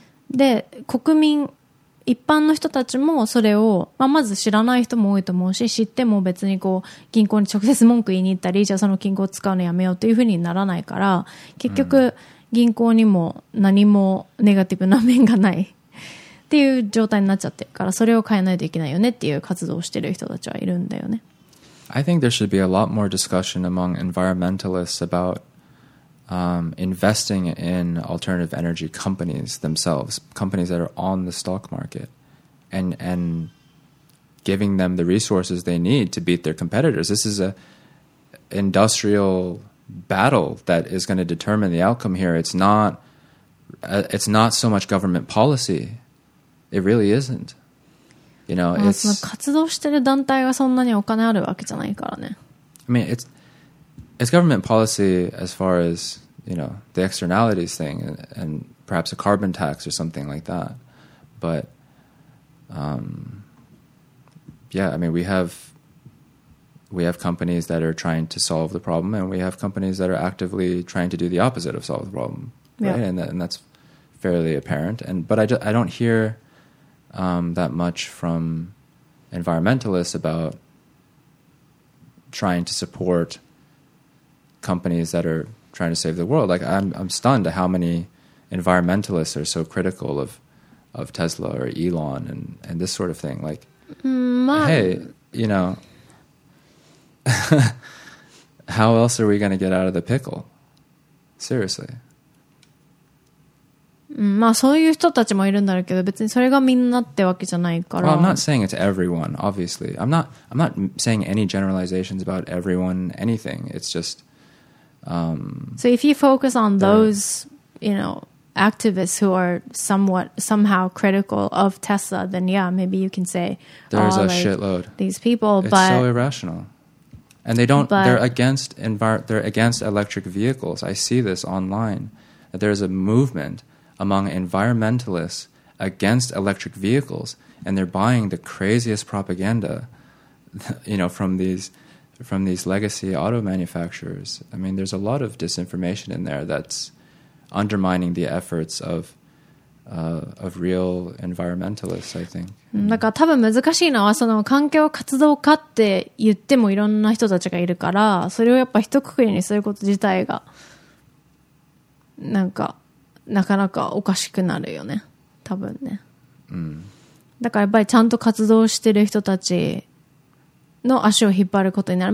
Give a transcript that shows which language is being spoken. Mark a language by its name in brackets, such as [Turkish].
[Japanese] で、国民、一般の人たちもそれを、まあ、まず知らない人も多いと思うし、知っても別にこう銀行に直接文句言いに行ったり、じゃあその銀行を使うのやめようというふうにならないから、結局、銀行にも何もネガティブな面がないっていう状態になっちゃってるから、それを変えないといけないよねっていう活動をしてる人たちはいるんだよね。 [English] I think there should be a lot more discussion among environmentalists about investing in alternative energy companies themselves, companies that are on the stock market, and giving them the resources they need to beat their competitors. This is a industrial... battle that is going to determine the outcome here. It's not so much government policy. It really isn't. You know, it's. [Japanese] その活動してる団体がそんなにお金あるわけじゃないからね。 [English] I mean, it's government policy as far as, you know, the externalities thing and perhaps a carbon tax or something like that. But, yeah, I mean, we have companies that are trying to solve the problem, and we have companies that are actively trying to do the opposite of solve the problem, right? Yeah. And that's fairly apparent. But I don't hear that much from environmentalists about trying to support companies that are trying to save the world. Like I'm stunned at how many environmentalists are so critical of Tesla or Elon and this sort of thing. Like, hey, you know. How else are we going to get out of the pickle? Seriously. [Japanese] まあそういう人たちもいるんだろうけど、別にそれがみんなってわけじゃないから。 [English] Well, I'm not saying it's everyone, obviously. I'm not saying any generalizations about everyone, anything. It's just... So if you focus on those, you know, activists who are somehow critical of Tesla, then yeah, maybe you can say... There's a shitload. These people, it's but... It's so irrational. And they don't, but, they're against electric vehicles. I see this online. There's a movement among environmentalists against electric vehicles, and they're buying the craziest propaganda, you know, from these from these legacy auto manufacturers. I mean, there's a lot of disinformation in there that's undermining the efforts of real environmentalists, I think. [Japanese] だから多分難しいのはその環境活動家って言ってもいろんな人たちがいるから、それをやっぱ一括りにすること自体がなんかなかなかおかしくなるよね。多分ね。うん。だからやっぱりちゃんと活動してる人たちの足を引っ張ることになる。